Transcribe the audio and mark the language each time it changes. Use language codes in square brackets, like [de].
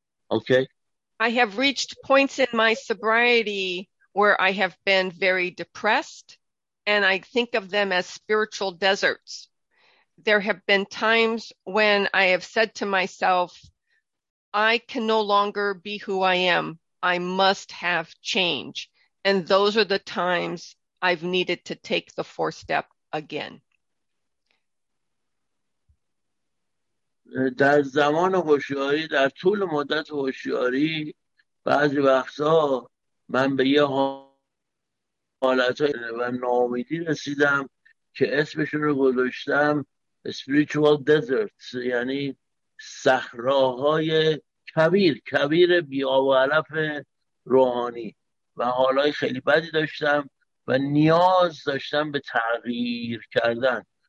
[en] Okay? I have reached points in my sobriety where I have been very depressed, and I think of them as spiritual deserts. There have been times when I have said to myself, I can no longer be who I am. I must have change. And those are the times I've needed to take the fourth step again. [fa] در زمان هوشیاری، در طول مدت هوشیاری، بعضی وقتا من به یه حالت های و ناامیدی رسیدم که اسمشون رو گذاشتم [en] spiritual deserts، [fa] یعنی صحراهای کبیر، کبیر بی آب و علف روحانی، و حالای خیلی بدی داشتم و نیاز داشتم به تغییر کردن.